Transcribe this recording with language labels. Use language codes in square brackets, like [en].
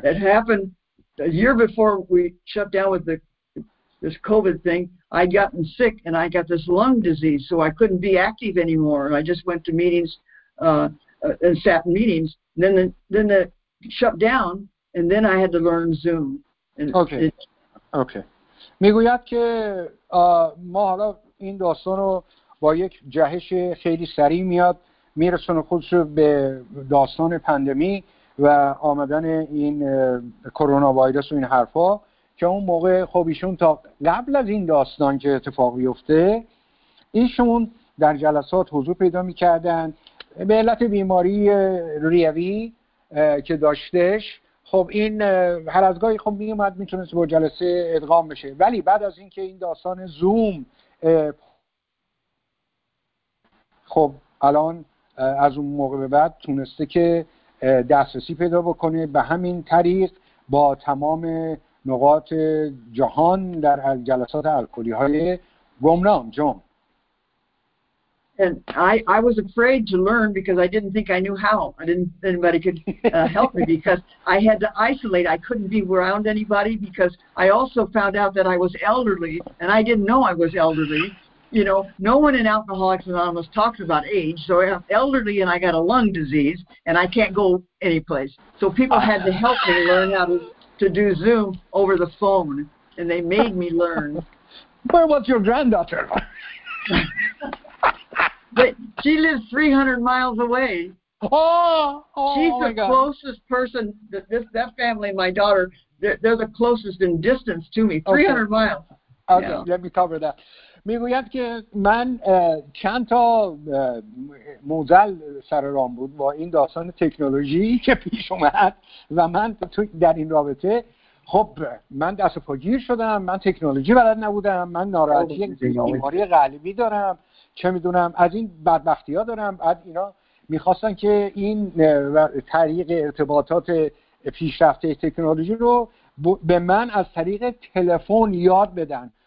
[en] It happened a year before we shut down with this COVID thing. I'd gotten sick and I got this lung disease, so I couldn't be active anymore. And I just went to meetings and sat in meetings. Then the shut down, and then I had to learn Zoom. Okay. [fa] میگوید که ما حالا این داستان رو با یک جهش خیلی سریع میاد میرسونه خودش رو به داستان پاندمی و آمدن این کرونا وایروس و این حرفا، که اون موقع خب ایشون تا قبل از این داستان که اتفاق بیفته ایشون در جلسات حضور پیدا میکردن به علت بیماری ریوی که داشتش. خب این هر از گاهی خب میومد میتونست با جلسه ادغام بشه، ولی بعد از اینکه این داستان زوم، خب الان از اون موقع به بعد تونسته که دسترسی پیدا بکنه به همین طریق با تمام نقاط جهان در جلسات الکلی های گمنام. جون، [en] and I was afraid to learn because I didn't think I knew how. I didn't think anybody could help me because I had to isolate. I couldn't be around anybody because I also found out that I was elderly and I didn't know I was elderly. You know, no one in Alcoholics Anonymous talks about age, so I'm elderly and I got a lung disease and I can't go anyplace. So people had to help me learn how to do Zoom over the phone, and they made me learn. Where was your granddaughter? But she lives 300 miles away. Oh, she's the closest person. That family, my daughter, they're the closest in distance to me. 300 miles. Okay, yeah. Let me cover that. [fa] میگوید که من چند تا موزل سر رام بود با این داستان تکنولوژی که پیش اومد و من در این رابطه، خب من دست پاگیر شدم، من تکنولوژی بلد نبودم، من ناراحتی بیماری قلبی دارم، چه میدونم از این بدبختی ها دارم، بعد اینا میخواستن که این طریق ارتباطات پیشرفته تکنولوژی رو به من از طریق تلفن یاد بدن.